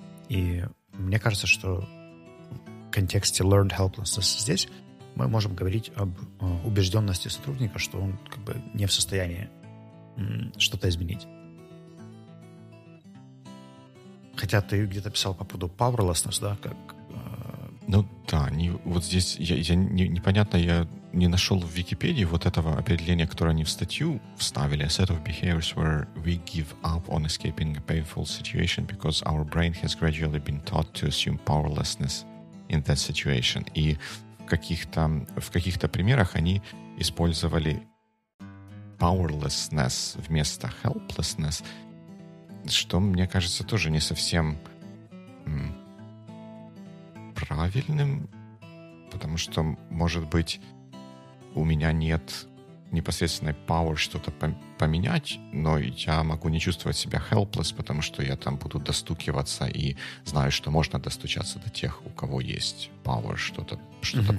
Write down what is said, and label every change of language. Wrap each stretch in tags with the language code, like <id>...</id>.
<ru>И мне кажется, что в контексте learned helplessness здесь мы можем говорить об убежденности сотрудника, что он как бы не в состоянии что-то изменить. Хотя ты где-то писал по поводу powerlessness, да? Ну да, вот здесь я непонятно, я не нашел в Википедии вот этого определения, которое они в статью вставили.</ru> <en>A set of behaviors where we give up on escaping a painful situation because our brain has gradually been taught to assume powerlessness in that situation.</en> <ru>И в каких-то примерах они использовали powerlessness вместо helplessness, что, мне кажется, тоже не совсем правильным, потому что, может быть, у меня нет непосредственной power что-то поменять, но я могу не чувствовать себя helpless, потому что я там буду достукиваться и знаю, что можно достучаться до тех, у кого есть power что-то mm-hmm.</ru>